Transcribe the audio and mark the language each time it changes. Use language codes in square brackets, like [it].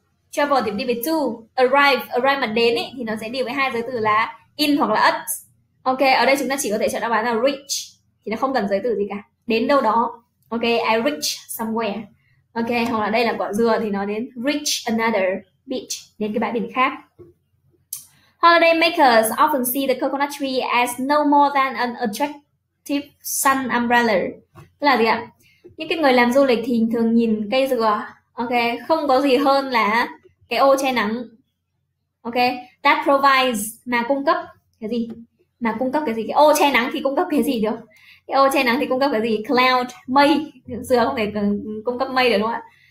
[vi] Travel thì đi với to. Arrive, arrive mà đến ấy, thì nó sẽ đi với hai giới từ là in hoặc là at. Ok, ở đây chúng ta chỉ có thể chọn đáp án là reach. Thì nó không cần giới từ gì cả. Đến đâu đó. [en] I reach somewhere. [vi] Ok, hoặc là đây là quả dừa thì nó đến reach another beach, đến cái bãi biển khác. [en] Holiday makers often see the coconut tree as no more than an attractive sun umbrella. [vi] Tức là gì ạ? Những cái người làm du lịch thì thường nhìn cây dừa, ok, không có gì hơn là cái ô che nắng. Ok, [en] that provides [vi] mà cung cấp cái gì? Mà cung cấp cái gì? Cái ô che nắng thì cung cấp cái gì được? Cái ô che nắng thì cung cấp cái gì? Cloud, mây. Dừa không thể cung cấp mây được đúng không ạ?